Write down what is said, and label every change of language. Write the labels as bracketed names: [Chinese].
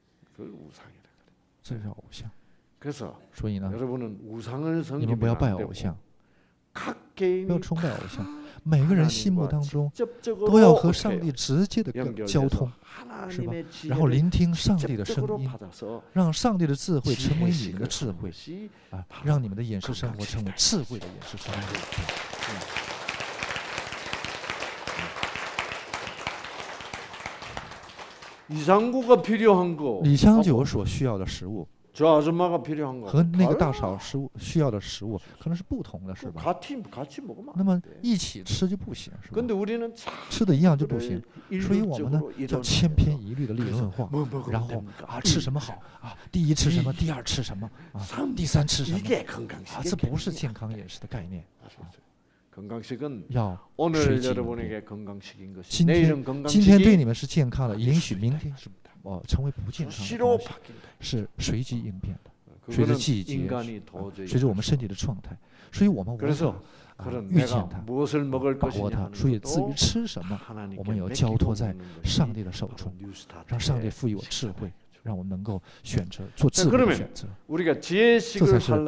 [Korean] 그걸 우상이라고 그래요. 그래서 여러분은 우상을 섬기면 안 되고 각 개인 [Chinese] 각 每个人心目当中都要和上帝直接的交通，是吧？然后聆听上帝的声音，让上帝的智慧成为你们的智慧，啊，让你们的演示生活成为智慧的演示生活。 [Korean] 이상구가필요한거 [Chinese] 李香九所需要的食物。 [Korean] 저아줌마가필요한거 [Chinese] 和那个大嫂食物需要的食物可能是不同的是吧 [Korean] 같이같이먹으면 [Chinese] 那么一起吃就不行是吧 [Korean] 근데우리는 [Chinese] 吃的一样就不行所以我们呢叫千篇一律的理论化然后啊吃什么好啊第一吃什么第二吃什么啊第三吃什么 [Korean] 이게건강식 [Chinese] 啊这不是健康饮食的概念 [Korean] 건강식은 [Chinese] 要 [Korean] 오늘여러분에게건강식인것이 [Chinese] 今天对你们是健康的允许明天是成为不健康的是随机应变的随着季节随着我们身体的状态所以我们无法预见它把握它所以至于吃什么我们要交托在上帝的手中让上帝赋予我智慧让我们能够选择做智慧的选择这才是